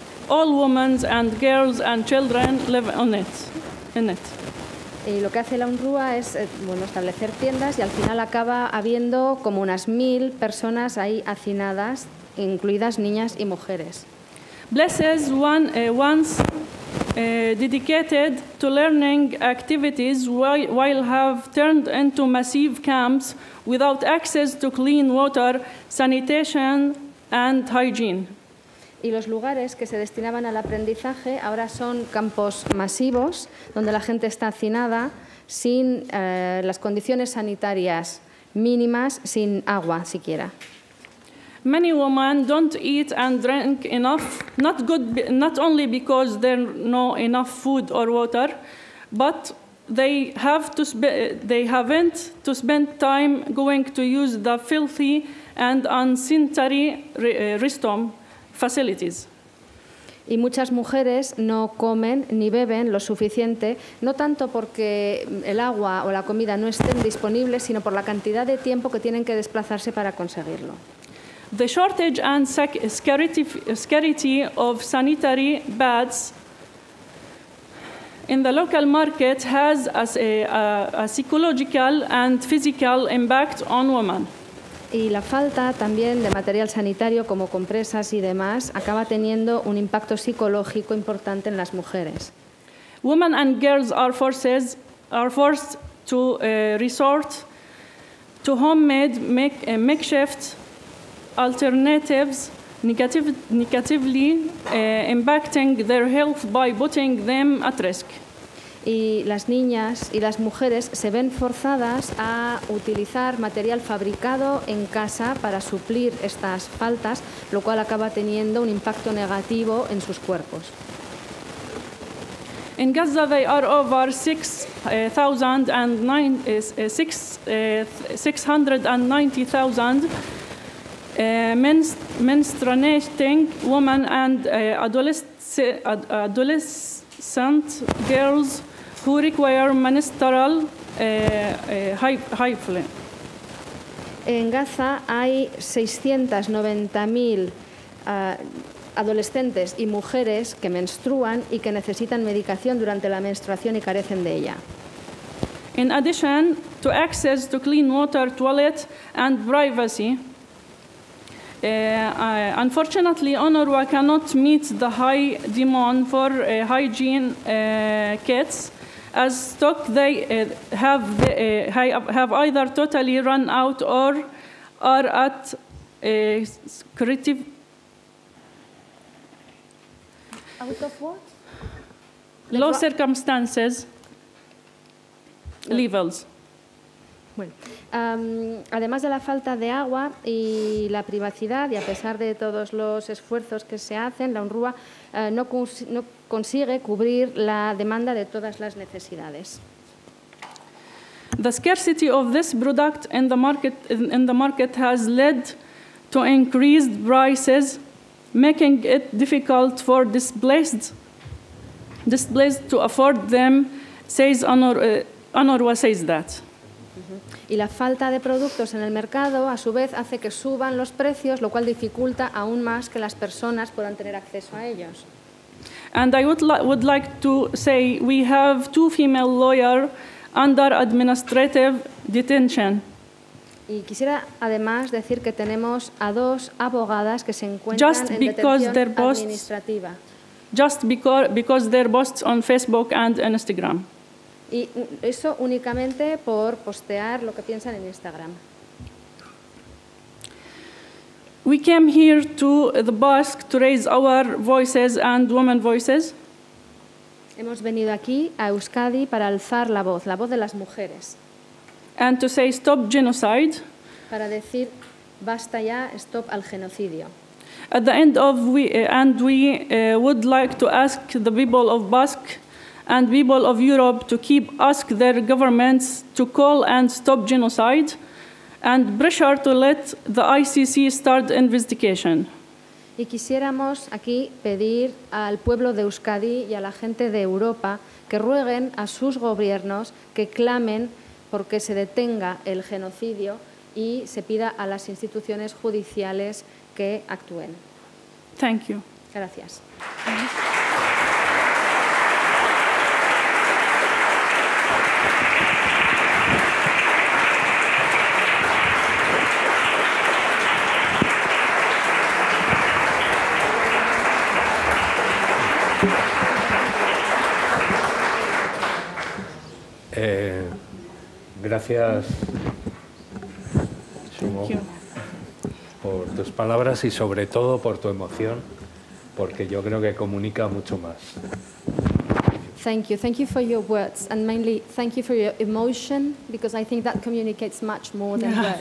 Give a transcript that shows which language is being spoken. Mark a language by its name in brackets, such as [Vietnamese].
[English] All women and girls and children live in it. [Spanish] Y lo que hace la UNRWA es establecer tiendas y al final acaba habiendo como unas 1,000 personas ahí hacinadas, incluidas niñas y mujeres. [English] Places once dedicated to learning activities while have turned into massive camps without access to clean water, sanitation and hygiene. [Spanish] Y los lugares que se destinaban al aprendizaje ahora son campos masivos donde la gente está hacinada sin las condiciones sanitarias mínimas, sin agua siquiera. [English] Many women don't eat and drink enough, not only because there's no enough food or water, but they haven't to spend time going to use the filthy and unsanitary restroom facilities. [Spanish] Y muchas mujeres no comen ni beben lo suficiente, no tanto porque el agua o la comida no estén disponibles, sino por la cantidad de tiempo que tienen que desplazarse para conseguirlo. [English] The shortage and scarcity of sanitary pads in the local market has a psychological and physical impact on women. [Spanish] Y la falta también de material sanitario como compresas y demás acaba teniendo un impacto psicológico importante en las mujeres. [English] Women and girls are forced to resort to homemade makeshift alternatives, negatively impacting their health by putting them at risk. [Spanish] Y las niñas y las mujeres se ven forzadas a utilizar material fabricado en casa para suplir estas faltas, lo cual acaba teniendo un impacto negativo en sus cuerpos. [English] In Gaza, there are over 690,000 menstruating women and adolescent girls who require menstrual hygiene. [Spanish] En Gaza hay 690,000 adolescentes y mujeres que menstruan y que necesitan medicación durante la menstruación y carecen de ella. [English] In addition to access to clean water, toilet and privacy, Unfortunately, UNRWA cannot meet the high demand for hygiene kits, as stock they have either totally run out or are at a critical. Out of what? Low like circumstances levels. [Spanish] Bueno, además de la falta de agua y la privacidad, y a pesar de todos los esfuerzos que se hacen, la UNRWA no consigue cubrir la demanda de todas las necesidades. [English] The scarcity of this product in the market has led to increased prices, making it difficult for displaced to afford them, says UNRWA says that. [Spanish] Y la falta de productos en el mercado, a su vez, hace que suban los precios, lo cual dificulta aún más que las personas puedan tener acceso a ellos. [English] And I would like to say we have two female lawyers under administrative detention. [Spanish] Y quisiera además decir que tenemos a dos abogadas que se encuentran [English] just [Spanish] en detención administrativa. [English] Just because their posts on Facebook and Instagram. [Spanish] Y eso únicamente por postear lo que piensan en Instagram. [English] We came here to the Basque to raise our voices and women voices. [Spanish] Hemos venido aquí a Euskadi para alzar la voz de las mujeres. [English] And to say stop genocide. [Spanish] Para decir basta ya, stop al genocidio. [English] At the end of would like to ask the people of Basque and people of Europe to keep ask their governments to call and stop genocide and pressure to let the ICC start investigation. [Spanish] Y quisiéramos aquí pedir al pueblo de Euskadi y a la gente de Europa que rueguen a sus gobiernos que clamen porque se detenga el genocidio y se pida a las instituciones judiciales que actúen. [English] Thank you. [Spanish] Gracias. Gracias, Sumo, por tus palabras y sobre todo por tu emoción, porque yo creo que comunica mucho más. [English] Thank you for your words and mainly thank you for your emotion because I think that communicates much more than words.